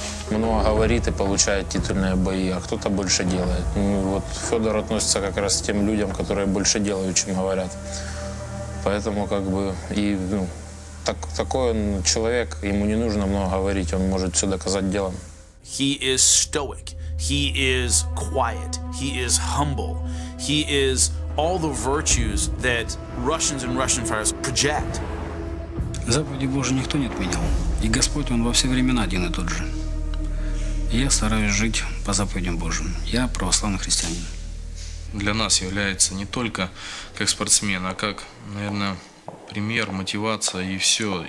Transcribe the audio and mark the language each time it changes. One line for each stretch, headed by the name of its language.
Russian: Много говорит и получает титульные бои, а кто-то больше делает. Вот Федор относится как раз к тем людям, которые больше делают, чем говорят. Поэтому как бы и такой он человек, ему не нужно много говорить, он может все доказать делом.
English: He is stoic. He is quiet. He is humble. He is all the virtues that Russians and Russian fighters project.
Russian: Заповеди Божьи никто не отменял, и Господь он во все времена один и тот же. Я стараюсь жить по заповедям Божьим. Я православный христианин. Для нас является не только как спортсмен, а как, наверное, пример, мотивация и все.